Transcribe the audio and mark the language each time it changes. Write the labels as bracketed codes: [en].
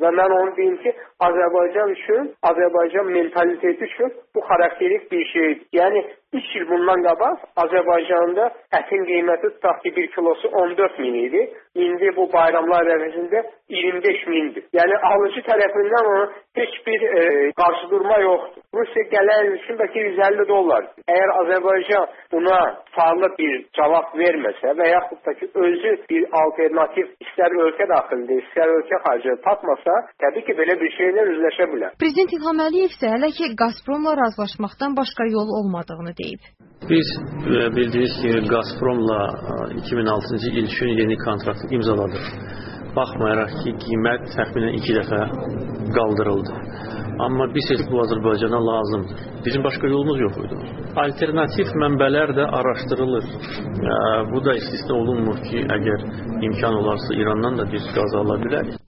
[az] Və mən onu deyim ki, Azərbaycan üçün, Azərbaycan mentaliteti üçün bu xarakterik bir şeydir. Yəni, 3 il bundan qabaq Azərbaycanda ətin qiyməti tutaq ki, 1 kilosu 14 min idi. İndi bu bayramlar ərzində 25 mindir. Yəni, alıcı tərəfindən ona heç bir qarşıdurma yoxdur. [tr] Rusya gelen için belki 150 dolar. Eğer Azerbaycan buna sağlı bir cevap vermese veya buradaki özü bir alternatif ister ülke dahilinde ister ülke harcını tatmasa tabii ki böyle bir şeyle yüzleşebilir. Prezident İlham Aliyev ise hele ki Gazprom'la razılaşmaktan başka yol olmadığını deyip. Biz bildiğiniz gibi Gazprom'la 2006 yıl için yeni kontratı imzaladık. [az] Baxmayaraq ki, qiymət təxminən iki dəfə qaldırıldı. Amma biz heç bu Azərbaycana lazımdır. Bizim başqa yolumuz yox idi. Alternativ mənbələr də araşdırılır. Bu da istisna olunmur ki, əgər imkan olarsa İrandan da biz qaz ala bilərik.